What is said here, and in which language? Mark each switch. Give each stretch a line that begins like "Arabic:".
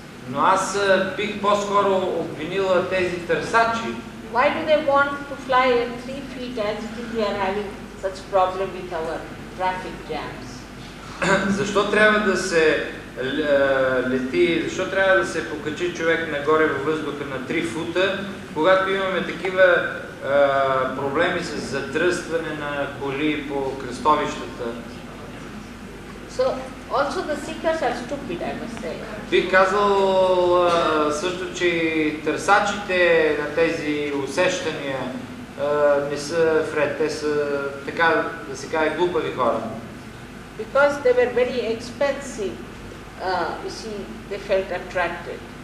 Bulgarian: Но аз бих по-скоро обвинила тези търсачи.
English: why do they want to fly at 3 feet as if we are having such problem with our traffic jams?
Bulgarian: Защо трябва да се лети, защо трябва да се покачи човек нагоре във въздуха на 3 фута, когато имаме такива проблеми с задръстване на коли по кръстовищата?
English: So, also the seekers are stupid, I must say.
Bulgarian: Би казал също, че търсачите на тези усещания не са вред, те са така да се каже глупави хора.
English: Because they were very expensive, you see, they felt attracted.